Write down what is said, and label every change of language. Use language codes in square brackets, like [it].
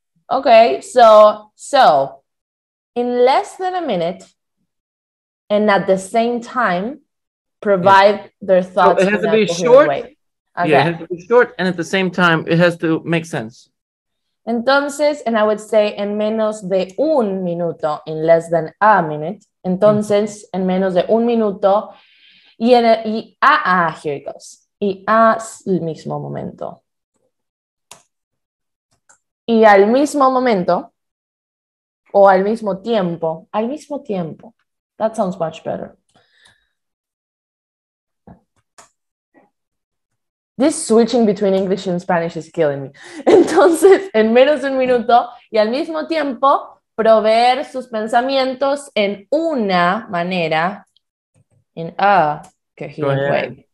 [en] Okay, so in less than a minute and at the same time, provide yeah. their thoughts. So it has to be short. Okay. Yeah, it has to be short and at the same time, it has to make sense. [es] Entonces, [en] and I would say [es] en menos de un minuto, [en] in less than a minute. [es] Entonces, en menos de un minuto, [en] here it goes, [es] y al mismo momento. Y al mismo momento, o al mismo tiempo, [en] that sounds much better. This switching between English and Spanish is killing me. [es] Entonces, en menos de un minuto, y al mismo tiempo, proveer sus pensamientos en una manera, [en] in a coherent way.